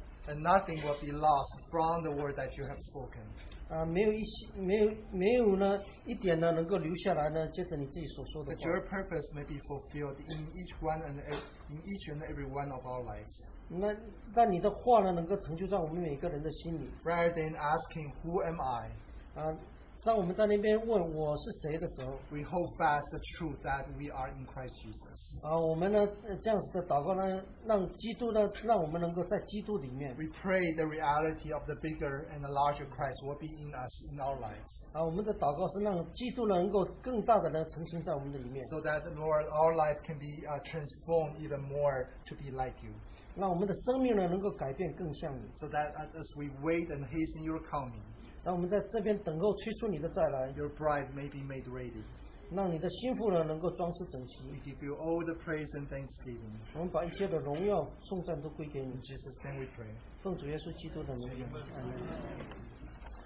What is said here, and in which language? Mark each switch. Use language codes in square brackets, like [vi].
[en] And nothing will be lost from the word that you have spoken. [zh] 没有一点呢能够留下来呢，接着你自己所说的话。 [en] That your purpose may be fulfilled in each and every one of our lives. [zh] 那你的话呢，能够成就在我们每个人的心里。 [en] Rather than asking who am I? [zh] 当我们在那边问我是谁的时候， [en] we hold fast the truth that we are in Christ Jesus. [zh] 我们呢这样子的祷告呢，让我们能够在基督里面。 [en] We pray the reality of the bigger and the larger Christ will be in us in our lives. [zh] 我们的祷告是让基督呢能够更大的呢成形在我们的里面。 [en] So that Lord, our life can be transformed even more to be like you. [zh] 让我们的生命呢能够改变更像你。 [en] So that as we wait and hasten your coming. [zh] 让我们在这边等候，催促你的再来。 [en] Your bride may be made ready. [zh] 让你的心腹呢能够装饰整齐。 [en] We give you all the praise and thanksgiving. [zh] 我们把一切的荣耀颂赞都归给你。 [en] In Jesus' name we pray. [zh] 奉主耶稣基督的名，阿门。